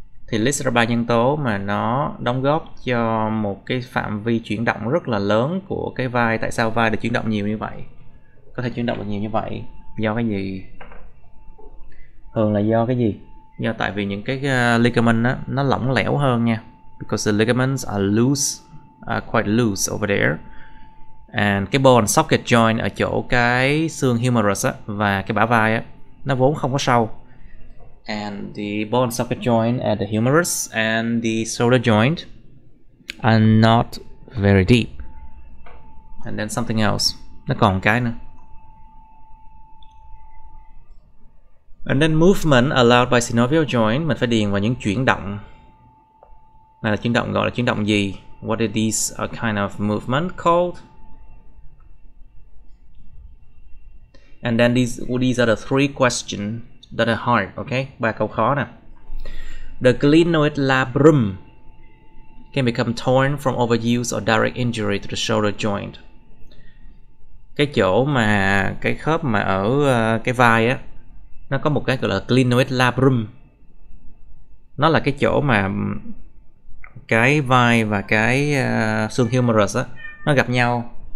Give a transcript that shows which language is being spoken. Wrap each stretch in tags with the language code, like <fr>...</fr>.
<vi>Thì list ra ba nhân tố mà nó đóng góp cho một cái phạm vi chuyển động rất là lớn của cái vai. Tại sao vai được chuyển động nhiều như vậy? Có thể chuyển động được nhiều như vậy do cái gì? Thường là do cái gì? Do tại vì những cái ligament á nó lỏng lẻo hơn nha.</vi> <en>Because the ligaments are loose, quite loose over there.</en> <vi>And cái bone socket joint ở chỗ cái xương humerus á và cái bả vai á nó vốn không có sâu.</vi> <en>And the bone socket joint at the humerus and the shoulder joint are not very deep. And then something else.</en> <vi>Nó còn cái nữa.</vi> <en>And then movement allowed by synovial joint,</en> <vi>mình phải điền vào những chuyển động. Này là chuyển động gọi là chuyển động gì?</vi> <en>What is this kind of movement called? And then these are the three questions that are hard, okay?</en> <vi>Ba câu khó nè.</vi> <en>The glenoid labrum can become torn from overuse or direct injury to the shoulder joint.</en> <vi>Cái chỗ mà cái khớp mà ở cái vai á, nó có một cái gọi là glenoid labrum. Nó là cái chỗ mà cái vai và cái xương humerus á nó gặp nhau.</vi>